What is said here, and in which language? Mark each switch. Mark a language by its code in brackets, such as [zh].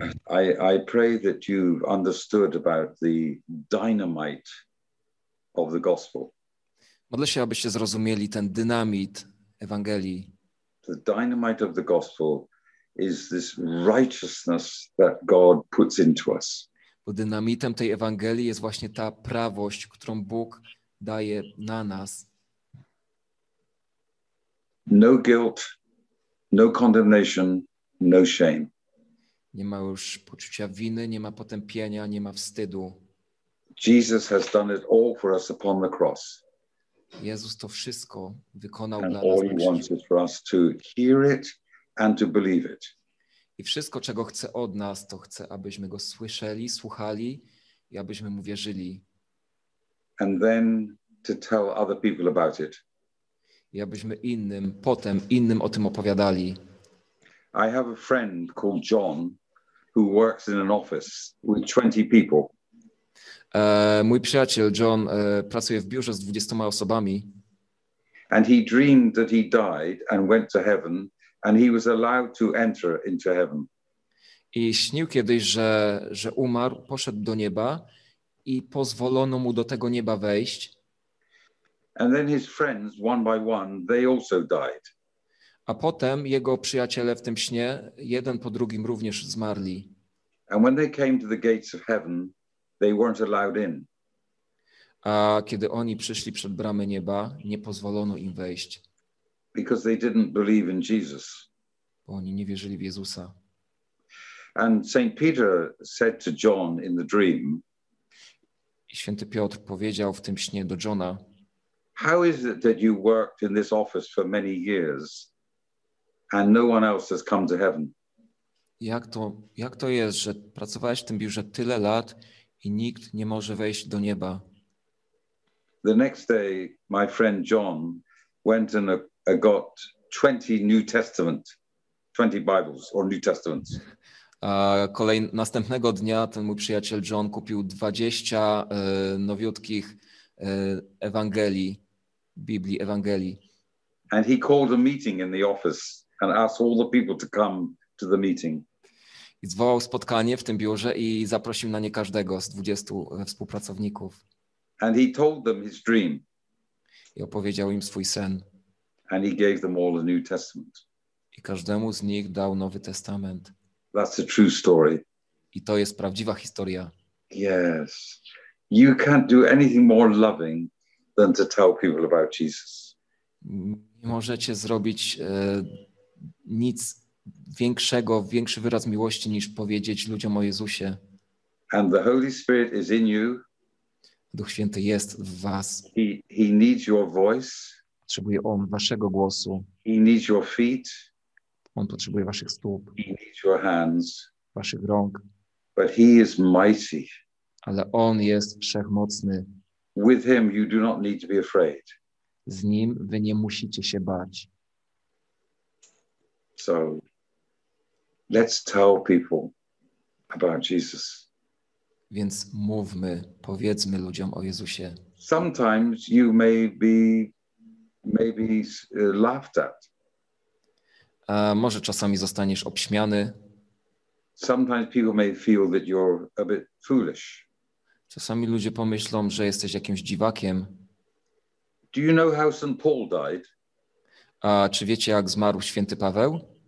[en] I pray that you understood about the dynamite of the gospel. [pl] Modlę się, abyście zrozumieli ten dynamit Ewangelii. [en] The dynamite of the gospel is this righteousness that God puts into us. [pl] Bo dynamitem tej Ewangelii jest właśnie ta prawość, którą Bóg daje na nas. [en] No guilt, no condemnation, no shame. [pl] Nie ma już poczucia winy, nie ma potępienia, nie ma wstydu. [en] Jesus has done it all for us upon the cross. [pl] Jezus to wszystko wykonał [en] and [pl] dla nas. [en] All he wants is for us to hear it and to believe it. [pl] I wszystko, czego chce od nas, to chce, abyśmy go słyszeli, słuchali i abyśmy mu wierzyli. [en] And then to tell other people about it. [pl] I abyśmy innym o tym opowiadali. [en] I have a friend called John who works in an office with 20 people. [pl] Mój przyjaciel John pracuje w biurze z 20 osobami. [en] And he dreamed that he died and went to heaven. And he was allowed to enter into heaven. [pl] I śnił kiedyś, że umarł, poszedł do nieba i pozwolono mu do tego nieba wejść. [en] And then his friends, one by one, they also died. [pl] A potem jego przyjaciele w tym śnie, jeden po drugim również zmarli. [en] And when they came to the gates of heaven, they weren't allowed in. [pl] A kiedy oni przyszli przed bramę nieba, nie pozwolono im wejść. [en] Because they didn't believe in Jesus. [pl] Bo oni nie wierzyli w Jezusa. [en] And Saint Peter said to John in the dream. [pl] I Święty Piotr powiedział w tym śnie do Johna. [en] How is it that you worked in this office for many years and no one else has come to heaven? [pl] Jak to jest, że pracowałeś w tym biurze tyle lat i nikt nie może wejść do nieba? [en] The next day my friend John went in I got 20 New Testament, 20 Bibles or New Testaments. [pl] Następnego dnia ten mój przyjaciel John kupił 20 nowiutkich Ewangelii, Biblii Ewangelii. [en] And he called a meeting in the office and asked all the people to come to the meeting. [pl] I zwołał spotkanie w tym biurze i zaprosił na nie każdego z 20 współpracowników. [en] And he told them his dream. [pl] I opowiedział im swój sen. [en] And he gave them all a New Testament. [pl] I każdemu z nich dał Nowy Testament. [en] That's a true story. [pl] I to jest prawdziwa historia. [en] Yes. You can't do anything more loving than to tell people about Jesus. [pl] Nie możecie zrobić nic większego, większy wyraz miłości niż powiedzieć ludziom o Jezusie. [en] And the Holy Spirit is in you. [pl] Duch Święty jest w was. [en] He needs your voice. [pl] Potrzebuje on waszego głosu. [en] He needs your feet. [pl] On potrzebuje waszych stóp. [en] He needs your hands. [pl] Waszych rąk. [en] But he is mighty. [pl] Ale on jest wszechmocny. [en] With him you do not need to be afraid. [pl] Z nim wy nie musicie się bać. [en] So let's tell people about Jesus. [pl] Więc mówmy, powiedzmy ludziom o Jezusie. [en] Sometimes you may be maybe laughed at. [pl] A może czasami zostaniesz obśmiany. [en] Sometimes people may feel that you're a bit foolish. [pl] Czasami ludzie pomyślą, że jesteś jakimś dziwakiem. [en] Do you know how St. Paul died? [pl] A czy wiecie, jak zmarł Święty Paweł?